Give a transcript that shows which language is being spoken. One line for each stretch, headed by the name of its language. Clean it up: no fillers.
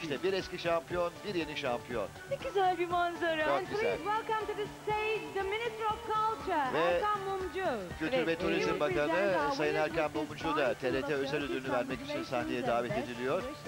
Turkish: İşte bir eski şampiyon, bir yeni şampiyon. Ne güzel bir manzara. Çok güzel.
English: Please welcome to the stage the Minister of Culture, Erkan Mumcu.
Turkish: Kültür ve Turizm Bakanı Sayın Erkan Mumcu da TRT özel ödülünü vermek için sahneye davet ediliyor.